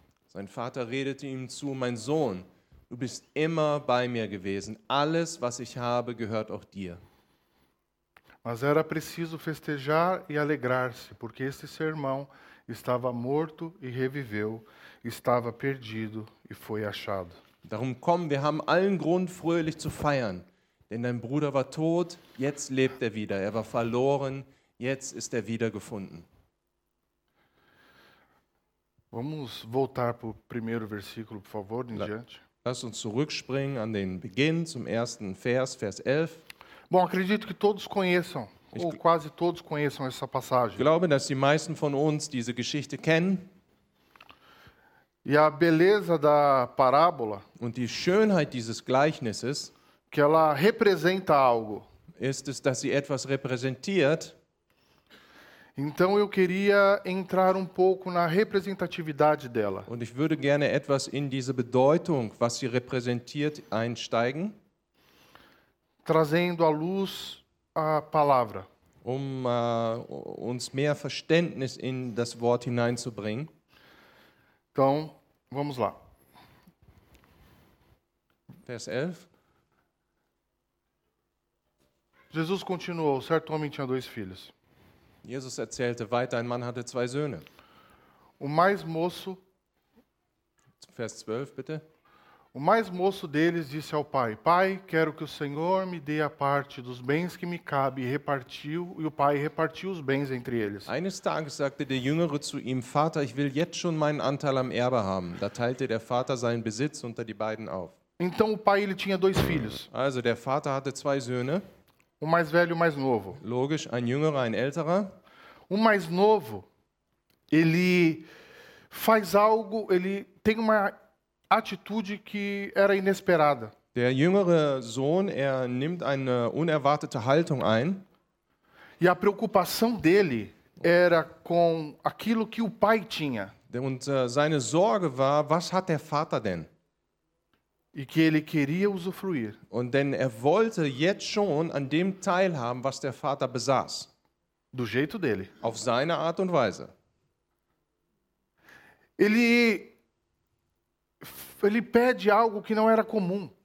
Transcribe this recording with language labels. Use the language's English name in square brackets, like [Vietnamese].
[German] Sein Vater redete ihm zu: Mein Sohn, du bist immer bei mir gewesen. Alles, was ich habe, gehört auch dir. [Portuguese] Mas era preciso festejar e alegrar-se, porque este seu irmão estava morto e reviveu, estava perdido e foi achado. [German] Darum komm, wir haben allen Grund, fröhlich zu feiern. Denn dein Bruder war tot, jetzt lebt er wieder. Er war verloren, jetzt ist er wiedergefunden. [Portuguese] Vamos voltar pro primeiro versículo, por favor, em diante. [German] Lass uns zurückspringen an den Beginn, zum ersten Vers, Vers 11. [Portuguese] Bom, acredito que todos conheçam, ou quase todos conheçam essa passagem. [German] Ich glaube, dass die meisten von uns diese Geschichte kennen. [Portuguese] E a beleza da parábola. [German] Und die Schönheit dieses Gleichnisses. [Portuguese] Que ela representa algo. [German] Ist es, dass sie etwas repräsentiert? [Portuguese] Então eu queria entrar um pouco na representatividade dela. [German] Und ich würde gerne etwas in diese Bedeutung, was sie repräsentiert, einsteigen. [Portuguese] Trazendo à luz a palavra. [German] Uns mehr Verständnis in das Wort hineinzubringen. [Portuguese] Então, vamos lá. [German] Vers 11. [Portuguese] Jesus continuou: Certo homem tinha dois filhos. [German] Jesus erzählte weiter: Ein Mann hatte zwei Söhne. [Portuguese] O mais moço, [German] Vers 12, bitte. [Portuguese] O mais moço deles disse ao pai: Pai, quero que o Senhor me dê a parte dos bens que me cabe. E o pai repartiu os bens entre eles. [German] Eines Tages sagte der Jüngere zu ihm: Vater, ich will jetzt schon meinen Anteil am Erbe haben. Da teilte der Vater seinen Besitz unter die beiden auf. [Portuguese] Então o pai, ele tinha dois filhos. [German] Also der Vater hatte zwei Söhne. [Portuguese] O mais velho e o mais novo. [German] Logisch, ein jüngerer, ein älterer. [Portuguese] O mais novo, ele faz algo, ele tem uma atitude que era inesperada. [German] Der jüngere Sohn, er nimmt eine unerwartete Haltung ein. [Portuguese] E a preocupação dele era com aquilo que o pai tinha. [German] Und seine Sorge war: Was hat der Vater denn? [Portuguese] E que ele queria usufruir. [German] Und denn er wollte jetzt schon an dem teilhaben, was der Vater besaß. [Portuguese] Do jeito dele. [German] Auf seine Art und Weise. [Portuguese] Ele pede algo que não era comum.